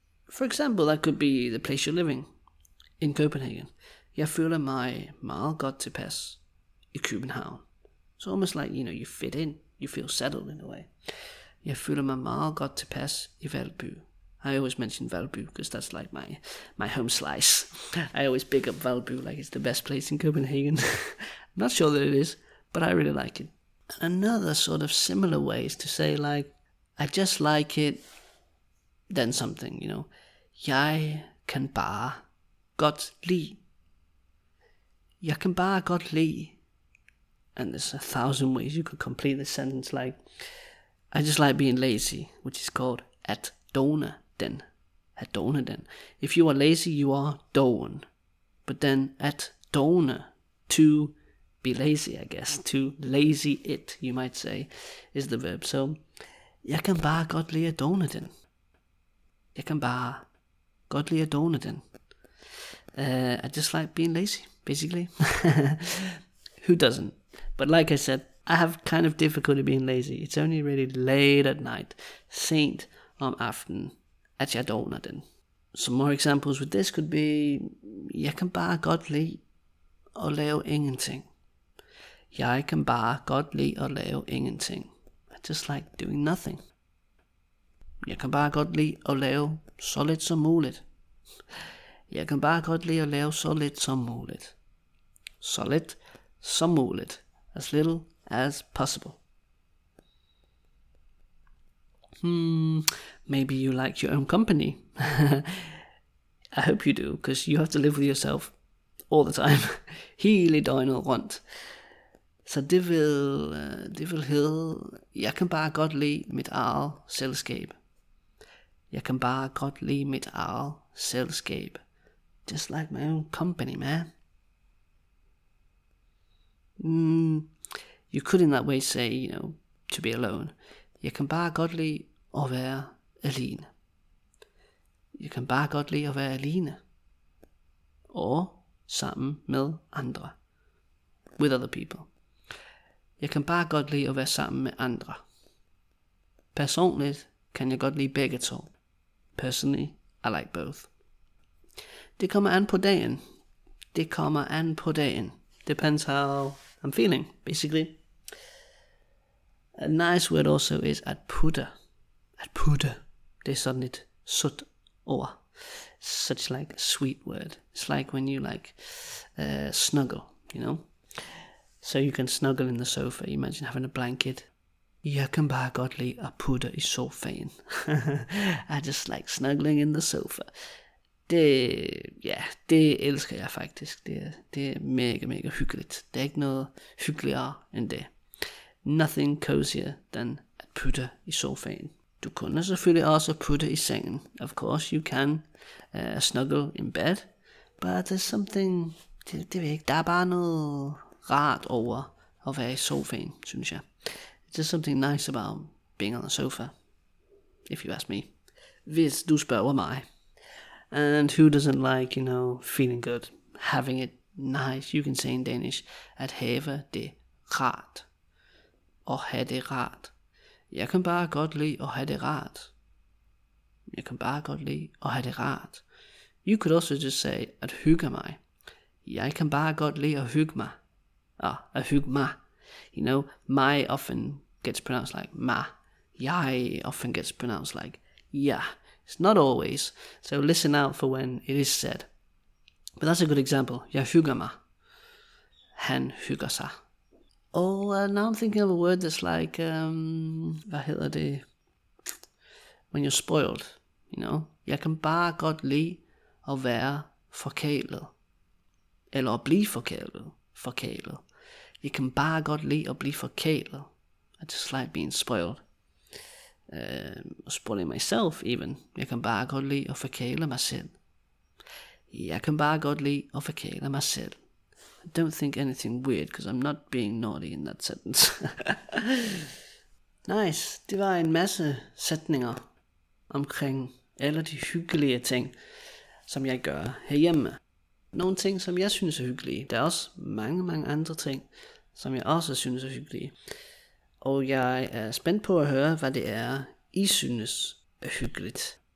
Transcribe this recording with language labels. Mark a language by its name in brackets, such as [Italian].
[English] For example, that could be the place you're living in Copenhagen. [Danish] Jeg føler mig meget godt tilpas i København. [English] It's almost like, you know, you fit in. You feel settled in a way. Jeg føler mig meget godt tilpas i Valby. I always mention Valby because that's like my home slice. I always pick up Valby like it's the best place in Copenhagen. I'm not sure that it is, but I really like it. Another sort of similar way is to say like, I just like it. Then something, you know. [Danish] Jeg kan bare godt lide. Jeg kan bare godt lide. [English] And there's a thousand ways you could complete this sentence like, I just like being lazy, which is called [Danish] at doner den. At doner den. [English] If you are lazy, you are don. But then at doner, to be lazy, I guess. To lazy it, you might say, is the verb. [Danish] So, jeg kan bare godt lide at doner den. Jeg kan bare godt lide at dåne den. [English] I just like being lazy, basically. Who doesn't? But like I said, I have kind of difficulty being lazy. It's only really late at night, [Danish] sent om aften, at jeg dåner den. [English] Some more examples with this could be, [Danish] jeg kan bare godt lide at lave ingenting. Jeg kan bare godt lide at lave ingenting. [English] I just like doing nothing. [Danish] Jeg kan bare godt lide at lave så lidt som muligt. Jeg kan bare godt lide at lave så lidt som muligt. Så lidt som muligt. [English] As little as possible. Maybe you like your own company. I hope you do, because you have to live with yourself all the time. [Danish] Hele døgnet rundt. Så det vil hedde, jeg kan bare godt lide mit eget selskab. Jeg kan bare godt lide mit eget selskab. [English] Just like my own company, man. You could in that way say, you know, to be alone. [Danish] Jeg kan bare godt lide at være alene. Jeg kan bare godt lide at være alene. Og sammen med andre. [English] With other people. [Danish] Jeg kan bare godt lide at være sammen med andre. Personligt kan jeg godt lide begge to. [English] Personally, I like both. [Danish] Det kommer an på dagen. Det kommer an på dagen. [English] Depends how I'm feeling, basically. A nice word also is [Danish] at pute. At pute. Det er sådan et sødt ord. [English] Such like a sweet word. It's like when you like snuggle, you know. So you can snuggle in the sofa. Imagine having a blanket. [Danish] Jeg kan bare godt lide at pute i sofaen. [English] I just like snuggling in the sofa. [Danish] Det, ja, det elsker jeg faktisk. Det er mega, mega hyggeligt. Det er ikke noget hyggeligere end det. [English] Nothing cozier than [Danish] at pute i sofaen. Du kunne selvfølgelig også pute i sengen. [English] Of course you can snuggle in bed. But there's something, [Danish] det ved jeg ikke. Der er bare noget rart over at være i sofaen, synes jeg. [English] There's something nice about being on the sofa, if you ask me. [Danish] Hvis du spørger mig. [English] And who doesn't like, you know, feeling good, having it nice? You can say in Danish, [Danish] at have det rart. Og have det rart. Jeg kan bare godt lide at have det rart. Jeg kan bare godt lide at have det rart. [English] You could also just say, [Danish] at hygge mig. Jeg kan bare godt lide at hygge mig. Ah, at hygge mig. [English] You know, mig often gets pronounced like ma. Jeg often gets pronounced like ja. It's not always, so listen out for when it is said. But that's a good example. [Danish] Jeg hygger mig. Han hygger sig. [English] Oh, now I'm thinking of a word that's like, [Danish] hvad hedder det? [English] When you're spoiled, you know? [Danish] Jeg kan bare godt lide at være forkælet. Eller at blive forkælet. Forkælet. Jeg kan bare godt lide at blive forkælet. [English] I just like being spoiled. Spoiling myself even. [Danish] Jeg kan bare godt lide at forkæle mig selv. Jeg kan bare godt lide at forkæle mig selv. [English] I don't think anything weird, because I'm not being naughty in that sentence. Nice. [Danish] Det var en masse sætninger omkring alle de hyggelige ting, som jeg gør herhjemme. Nogle ting, som jeg synes er hyggelige. Der er også mange, mange andre ting, som jeg også synes er hyggelige. Og jeg er spændt på at høre, hvad det er, I synes er hyggeligt.